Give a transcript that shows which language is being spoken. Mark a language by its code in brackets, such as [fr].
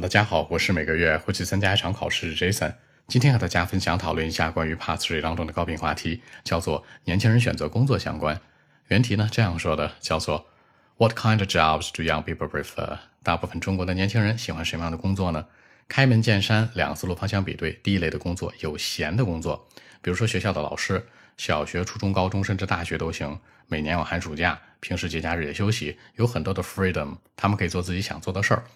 [zh] 大家好，我是每个月会去参加一场考试的 Jason。今天和大家分享讨论一下关于 Part 3当中的高频话题，叫做年轻人选择工作相关。原题呢这样说的，叫做 [en] What kind of jobs do young people prefer? [zh] 大部分中国的年轻人喜欢什么样的工作呢？开门见山，两思路方向比对，第一类的工作，有闲的工作，比如说学校的老师，小学、初中、高中甚至大学都行，每年有寒暑假，平时节假日也休息，有很多的 freedom， 他们可以做自己想做的事儿。